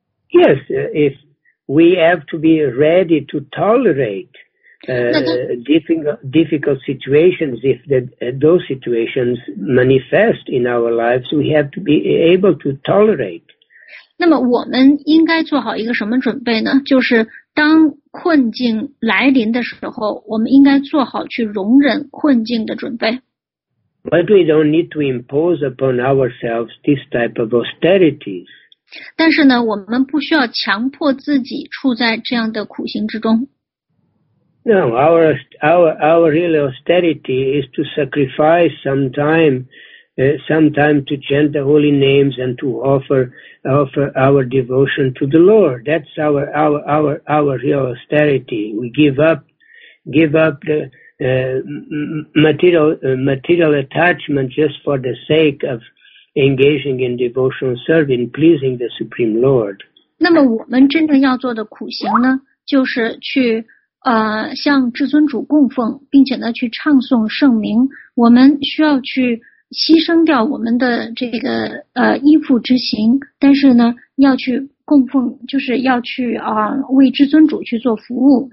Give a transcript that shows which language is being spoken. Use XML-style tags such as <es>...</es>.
<en>Yes, if we have to be ready to tolerate,difficult situations, if those situations manifest in our lives, we have to be able to tolerate.</en> <zh>那么我们应该做好一个什么准备呢？就是当困境来临的时候，我们应该做好去容忍困境的准备。</zh> <en>But we don't need to impose upon ourselves this type of austerities.</en> <zh>但是呢，我们不需要强迫自己处在这样的苦行之中。</zh> <en>No, our real austerity is to sacrifice some time to chant the holy names and to offer our devotion to the Lord. That's our real austerity. We give up the material attachment just for the sake of engaging in devotional service, pleasing the Supreme Lord.</en> <zh>那么我们真正要做的苦行呢，就是去向至尊主供奉，并且呢去唱诵圣名。我们需要去牺牲掉我们的这个依附之行，但是呢要去供奉，就是要去为至尊主去做服务。</zh>